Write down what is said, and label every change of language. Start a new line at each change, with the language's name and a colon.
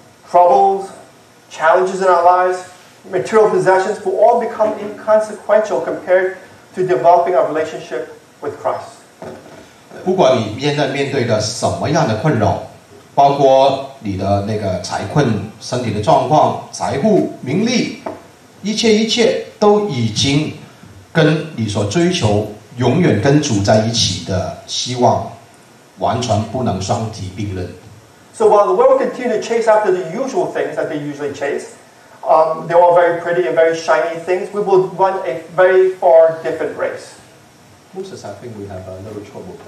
English: Troubles, challenges in our lives, material possessions will all become inconsequential compared to developing a relationship with Christ.
Chinese: 不管你面对的什么样的困扰，包括你的那个财困、身体的状况、财富、名利，一切一切都已经跟你所追求永远跟主在一起的希望完全不能相提并论。
English: So while the world continue to chase after the usual things that they usually chase, they're all very pretty and very shiny things, we will run a very far different race. Moses, I think we have a little trouble.